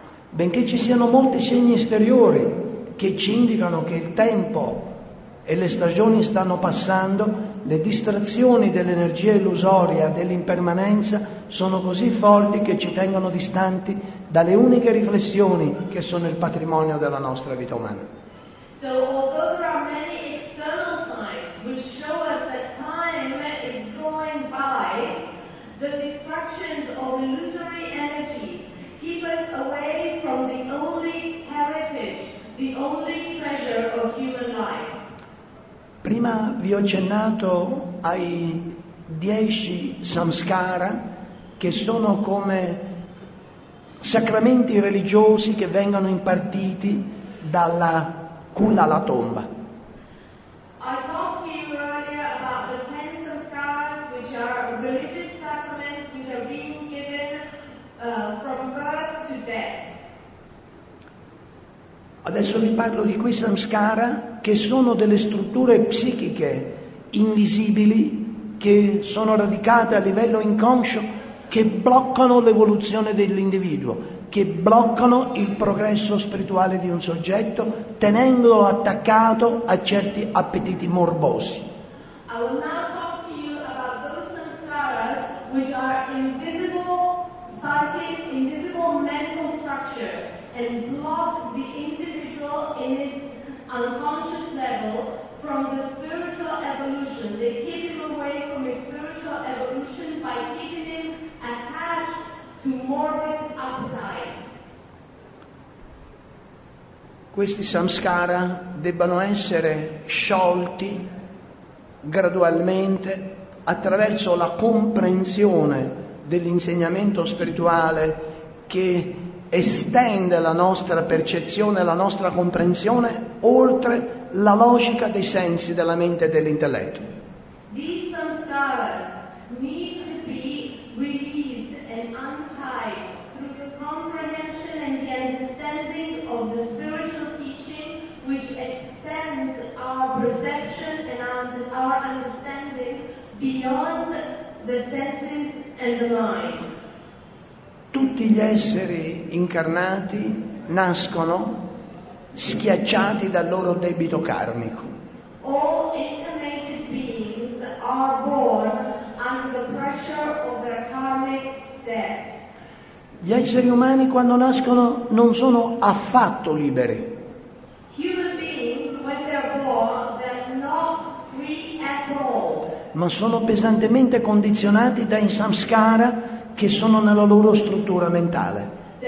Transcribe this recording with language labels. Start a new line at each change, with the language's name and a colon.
Italian: Benché ci siano molti segni esteriori che ci indicano che il tempo e le stagioni stanno passando, le distrazioni dell'energia illusoria, dell'impermanenza, sono così forti che ci tengono distanti dalle uniche riflessioni che sono il patrimonio della nostra vita umana.
English: So although there are many external signs which show us that time is going by, the distractions of illusory energy keep us away from the only heritage, the only treasure of human life.
Italian: Prima vi ho accennato ai 10 samskara che sono come sacramenti religiosi che vengono impartiti dalla culla alla tomba.
English: I talked to you earlier about the 10 samskaras, which are religious sacraments which are being given from birth to death.
Italian: Adesso vi parlo di quei samskara che sono delle strutture psichiche invisibili che sono radicate a livello inconscio, che bloccano l'evoluzione dell'individuo, che bloccano il progresso spirituale di un soggetto, tenendolo attaccato a certi appetiti morbosi.
English: I will now talk to you about those samskaras which are invisible psychic, invisible mental structure and block the individual in its unconscious level from the spiritual evolution. They keep him away from his spiritual evolution by keeping him attached to morbid appetites.
Italian: Questi samskara debbano essere sciolti gradualmente attraverso la comprensione dell'insegnamento spirituale che estende la nostra percezione, la nostra comprensione oltre la logica dei sensi della mente e dell'intelletto.
English: These samskaras need to be released and untied through the comprehension and the understanding of the spiritual teaching, which extends our perception and our understanding beyond the senses and the mind.
Italian: Tutti gli esseri incarnati nascono schiacciati dal loro debito karmico.
English: All incarnated beings are born under the pressure of their karmic debt.
Italian: Gli esseri umani quando nascono non sono affatto liberi.
English: Human beings, when they are born, they are not free at all.
Italian: Ma sono pesantemente condizionati dai samskara che sono nella loro struttura mentale.